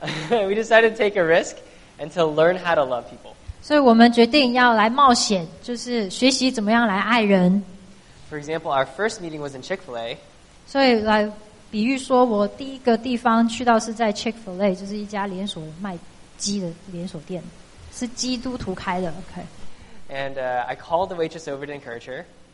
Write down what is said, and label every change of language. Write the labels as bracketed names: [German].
[English] We decided to take a risk and to learn how to love people. [Chinese] 所以我们决定要来冒险，就是学习怎么样来爱人。For [English] example, our first meeting was in Chick-fil-A. [Chinese] 所以来比喻说，我第一个地方去到是在Chick-fil-A， 就是一家连锁卖鸡的连锁店，是基督徒开的。Okay. [English] And I called the waitress over to encourage her.